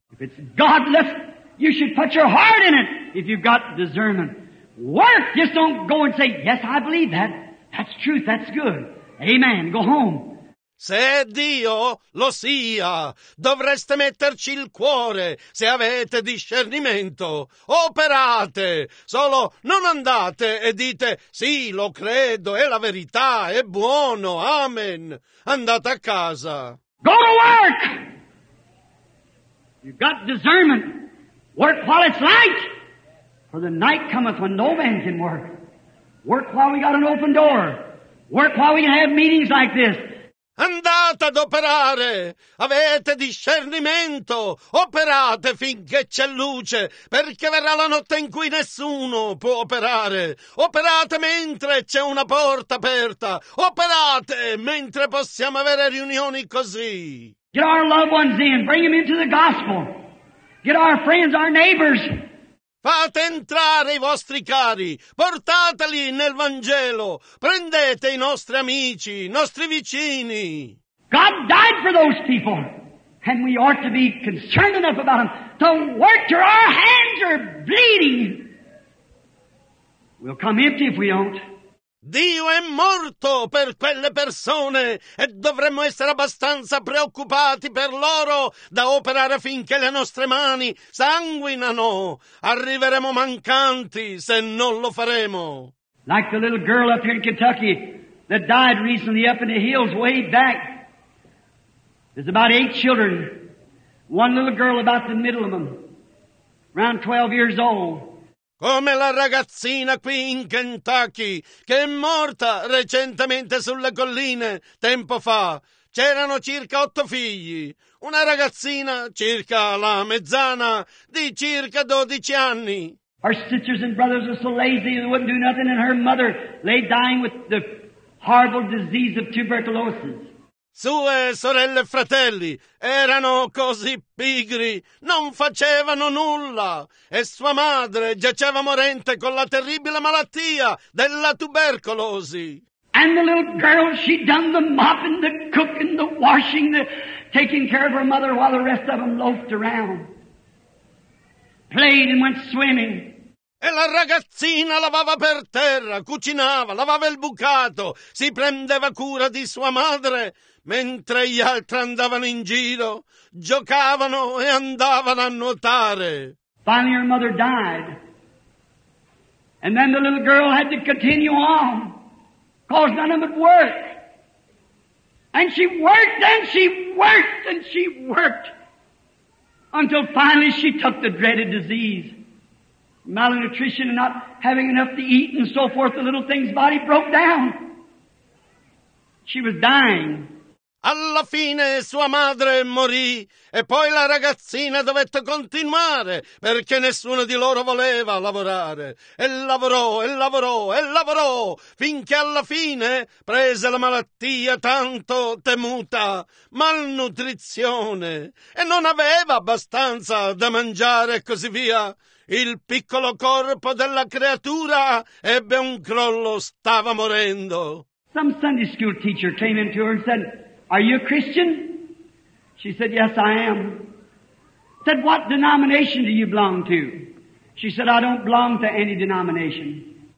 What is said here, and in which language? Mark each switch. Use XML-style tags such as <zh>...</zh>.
<en>If it's God, let's You should put your heart in it if you've got discernment. Work! Just don't go and say, yes, I believe that. That's truth. That's good. Amen. Go home.</en> <it>Se Dio lo sia, dovreste metterci il cuore, se avete discernimento, operate, solo non andate e dite, sì, lo credo, è la verità, è buono, amen, andate a casa.</it> <en>Go to work! You've got discernment. Work while it's light, for the night cometh when no man can work. Work while we got an open door. Work while we can have meetings like this.</en> <it>Andate ad operare, avete discernimento, operate finché c'è luce, perché verrà la notte in cui nessuno può operare. Operate mentre c'è una porta aperta, operate mentre possiamo avere riunioni così.</it> <en>Get our loved ones in, bring them into the gospel. Get our friends, our neighbors.</en> <it>Fate entrare i vostri cari, portateli nel Vangelo, prendete i nostri amici, i nostri vicini.</it> <en>God died for those people, and we ought to be concerned enough about them to work till our hands are bleeding. We'll come empty if we don't.</en> <it>Dio è morto per quelle persone e dovremmo essere abbastanza preoccupati per loro da operare finché le nostre mani sanguinano. Arriveremo mancanti se non lo faremo.</it> <en>Like the little girl up here in Kentucky that died recently up in the hills way back. There's about 8 children. One little girl about the middle of them, around 12 years old.</en> <it>Come la ragazzina qui in Kentucky, che è morta recentemente sulle colline, tempo fa. C'erano circa 8 figli. Una ragazzina, circa la mezzana, di circa 12 anni.</it> <en>Our sisters and brothers are so lazy they wouldn't do nothing, and her mother lay dying with the horrible disease of tuberculosis.</en> <it>Sue sorelle e fratelli erano così pigri, non facevano nulla, e sua madre giaceva morente con la terribile malattia della tubercolosi.</it> <en>And the little girl, she done the mopping, the cooking, the washing, the taking care of her mother while the rest of them loafed around, played and went swimming.</en> <it>E la ragazzina lavava per terra, cucinava, lavava il bucato, si prendeva cura di sua madre, mentre gli altri andavano in giro, giocavano e andavano a nuotare.</it> <en>Finally her mother died. And then the little girl had to continue on, cause none of it worked. And she worked and she worked and she worked until finally she took the dreaded disease. Malnutrition and not having enough to eat and so forth, the little thing's body broke down. She was dying.</en> <it>Alla fine sua madre morì e poi la ragazzina dovette continuare perché nessuno di loro voleva lavorare. E lavorò, e lavorò, e lavorò, finché alla fine prese la malattia tanto temuta, malnutrizione, e non aveva abbastanza da mangiare e così via. Il piccolo corpo della creatura ebbe un crollo, stava morendo.</it> <en>Some Sunday school teacher came into her and said, are you a Christian? She said, yes, I am. Said, what denomination do you belong to? She said, I don't belong to any denomination.</en>